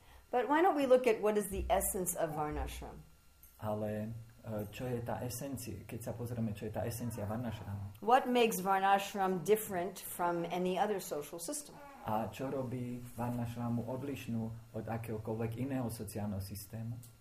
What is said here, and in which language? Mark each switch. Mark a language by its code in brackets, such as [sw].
[en] But why don't we look at what is the essence of varnashram? [sk] Ale čo je tá esencia, keď sa pozrieme, čo je tá esencia varnashrama? [en] What makes varnashram different from any other social system? [sk] A čo robí varnashramu odlišnú od akéhokoľvek iného sociálneho systému?